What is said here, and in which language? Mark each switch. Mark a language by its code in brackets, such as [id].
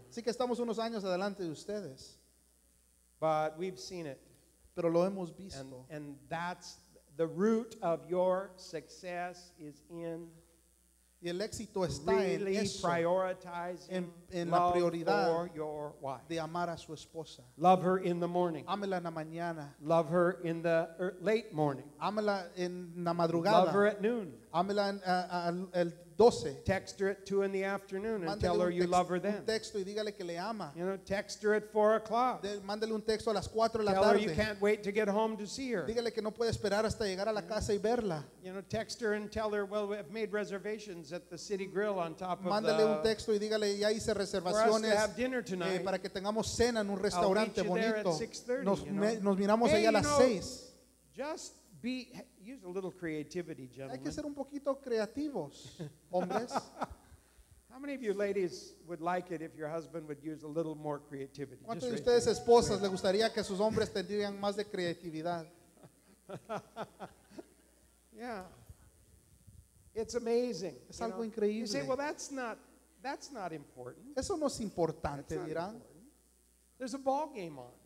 [es] Así que estamos unos años adelante de ustedes. [en] But we've seen it. [es] Pero lo hemos visto. [en] And that's the root of your success is in [es] y el éxito está [en] really [es] en eso, en [en] love [es] la prioridad [en] for your wife. [es] De amar a su esposa. [en] Love her in the morning. [es] Ámela en la mañana. [en] Love her in the late morning. [es] Ámela en la madrugada. [en] Love her at noon. [es] Ámela en el 12. [en] Text her at 2 in the afternoon and tell her you love her then. [es] Mándale un texto y dígale que le ama. [en] You know, text her at 4 o'clock. [es] Mándale un texto a las 4 de la tarde. [en] Tell her you can't wait to get home to see her. [es] Dígale que no puede esperar hasta llegar a la casa y verla. [en] You know, text her and tell her, well, we've made reservations at the City Grill on top of the... [es] Mándale un texto y dígale, ya hice reservaciones [en] to have dinner tonight. [es] Para que tengamos cena en un restaurante bonito. [en] I'll meet you there at 6:30, [es] nos miramos ahí a las 6. [en] Just be... Use a little creativity, gentlemen. [es] Hay que ser un poquito creativos, hombres. [en] How many of you ladies would like it if your husband would use a little more creativity? [es] ¿Cuántos de ustedes esposas le gustaría que sus hombres tendrían más de creatividad? [en] Yeah. It's amazing. [es] Es algo increíble. [en] You say, well, that's not important. [es] Eso no es importante, dirán. [en] There's a ball game on.